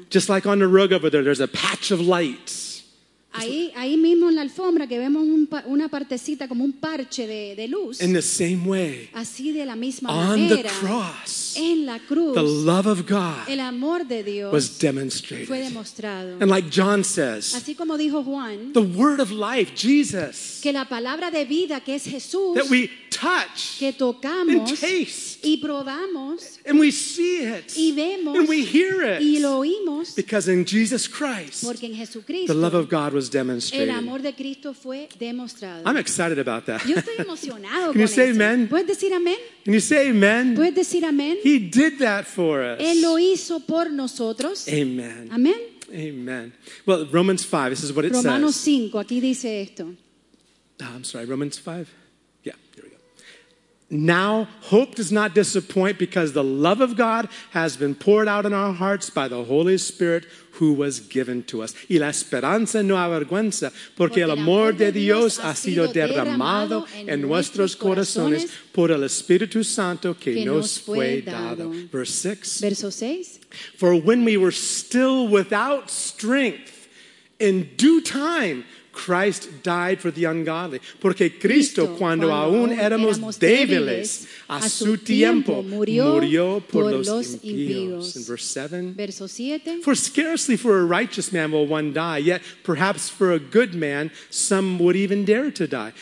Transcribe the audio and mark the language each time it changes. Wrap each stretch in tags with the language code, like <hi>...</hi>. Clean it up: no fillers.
<en>Just like on the rug over there, there's a patch of light.</en> <es>Ahí mismo en la alfombra que vemos una partecita como un parche de luz.</es> <en>In the same way,</en> <es>así de la misma</es> <en>on</en> <es>manera,</es> <en>the cross,</en> <es>en la cruz,</es> <en>the love of God,</en> <es>el amor de Dios,</es> <en>was demonstrated.</en> <es>Fue demostrado.</es> <en>And like John says,</en> <es>así como dijo Juan,</es> <en>the word of life, Jesus,</en> <es>que la palabra de vida, que es Jesús,</es> <en>that we touch,</en> <es>que tocamos,</es> <en>and taste,</en> <es>y probamos,</es> <en>and we see it,</en> <es>y vemos,</es> <en>and we hear it,</en> <es>y lo oímos,</es> <en>because in Jesus Christ,</en> <es>porque en Jesucristo,</es> <en>the love of God was demonstrated.</en> <es>El amor de Cristo fue demostrado.</es> <en>I'm excited about that.</en> <es>Yo estoy emocionado.</es> <en>Can you say amen?</en> <es>¿Puedes decir amén?</es> <en>Can you say amen?</en> <es>¿Puedes decir amén?</es> <en>He did that for us.</en> <es>Él lo hizo por nosotros.</es> <en>Amen.</en> <es>Amen.</es> <en>Amen. Well, Romans 5, this is what it</en> <es>Romanos</es> <en>says.</en> <es>Romanos 5, aquí dice esto.</es> <en>Oh, I'm sorry, Romans 5? Yeah, here we go. Now, hope does not disappoint because the love of God has been poured out in our hearts by the Holy Spirit who was given to us.</en> <es>Y la esperanza no avergüenza, porque el amor de Dios ha sido derramado en nuestros corazones por el Espíritu Santo que nos fue dado.</es> <en>Verse 6. For when we were still without strength, in due time, Christ died for the ungodly.</en> <es>Porque Cristo, cuando aún éramos débiles, a su tiempo murió por los impíos.</es> <en>Verse 7. For scarcely for a righteous man will one die, yet perhaps for a good man some would even dare to die.</en>